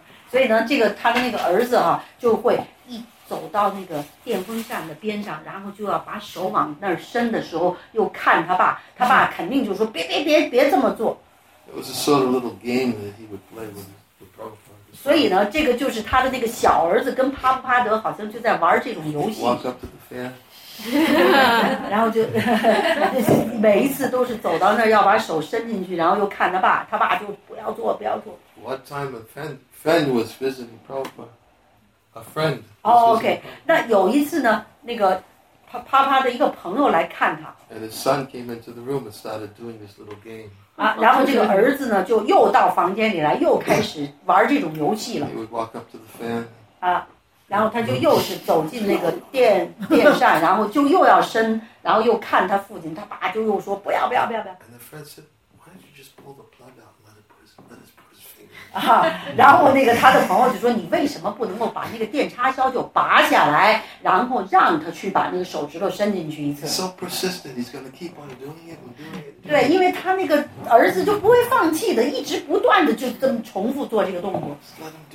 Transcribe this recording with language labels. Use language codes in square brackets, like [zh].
[zh] 所以呢，这个他的那个儿子哈，就会一走到那个电风扇的边上，然后就要把手往那儿伸的时候，又看他爸，他爸肯定就说别这么做。 [en] It was a sort of little game that he would play with the Prabhupada. [zh] 所以呢，这个就是他的那个小儿子跟帕布帕德好像就在玩这种游戏。 [en] Walk up to the fan. [zh] 然后就每一次都是走到那儿要把手伸进去，然后又看他爸就不要做。 [en] What time a friend was visiting Prabhupada? A friend. Oh, okay. [zh] 那有一次呢，那个啪啪的一个朋友来看他。 [en] And his son came into the room and started doing this little game. [zh] 然后这个儿子呢，就又到房间里来，又开始玩这种游戏了。 [en] He would walk up to the fan. [zh] 然后他就又是走进那个电扇，然后就又要伸，然后又看他父亲，他爸就又说不要。 [en] And the friend said, "Why don't you just pull the plug out and let us put his finger?" [zh] 然后那个他的朋友就说，你为什么不能够把那个电插销就拔下来，然后让他去把那个手指头伸进去一次 [en] ？So persistent, he's going to keep on doing it. [zh] 对，因为他那个儿子就不会放弃的，一直不断的就这么重复做这个动作。